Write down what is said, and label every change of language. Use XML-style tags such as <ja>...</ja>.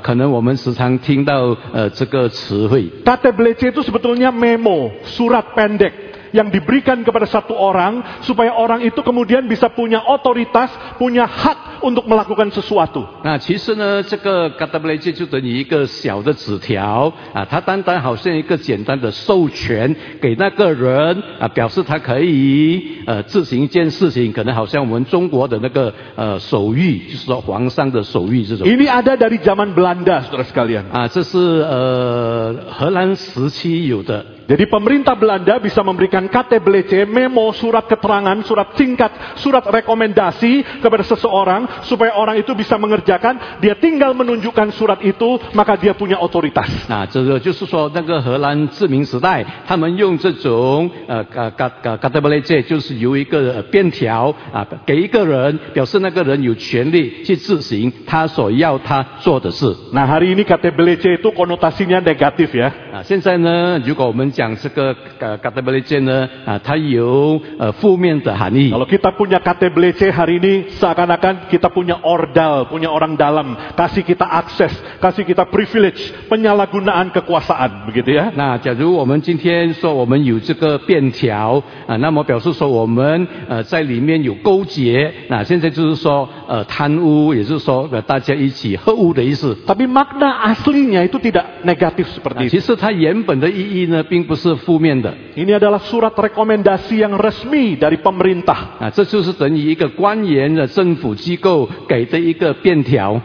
<zh>以前在这个旧新秩序的时候，可能我们时常听到这个词汇。</zh> <id>KTBLC itu sebetulnya memo, surat pendek yang diberikan kepada satu orang supaya orang itu kemudian bisa punya otoritas, punya hak untuk melakukan sesuatu.</id> <zh>Nah, 其实呢，这个KTBLC就等于一个小的纸条，它单单好像一个简单的授权给那个人，表示他可以自行一件事情，可能好像我们中国的那个手谕，就是说皇上的手谕这种。</zh> <id>Ini ada dari zaman Belanda, saudara sekalian.</id> <zh>这是荷兰时期有的。</zh> <id>Jadi pemerintah Belanda bisa memberikan KTBLC, memo, surat keterangan, surat singkat, surat rekomendasi kepada seseorang supaya orang itu bisa mengerjakan, dia tinggal menunjukkan surat itu, maka dia punya otoritas.</id> <zh>Nah, 这个就是说那个荷兰殖民时代，他们用这种 KTBLC，就是由一个便条给一个人，表示那个人有权利去自行他所要他做的事。</zh> <id>Nah, hari ini KTBLC itu konotasinya negatif ya.</id> <zh>Nah, 现在呢，如果我们讲 这个KTBLC呢，它有负面的含义。</zh> <id>Kalau kita punya KTBLC hari ini, seakan-akan kita punya ordal, punya orang dalam, kasih kita akses, kasih kita privilege, penyalahgunaan kekuasaan, begitu ya.</id> <zh>Nah, 假如我们今天说我们有这个便条， 那么表示说我们 在里面有勾结， 那现在就是说 贪污， 也就是说 大家一起合污的意思。</zh> <id>Tapi makna aslinya itu tidak negatif seperti itu.</id> <zh>其实它原本的意义呢，并不是 是负面的。</zh> <id>Ini adalah surat rekomendasi yang resmi dari pemerintah.</id> <zh>Nah, 这就是等于一个官员的政府机构给的一个便条。</zh>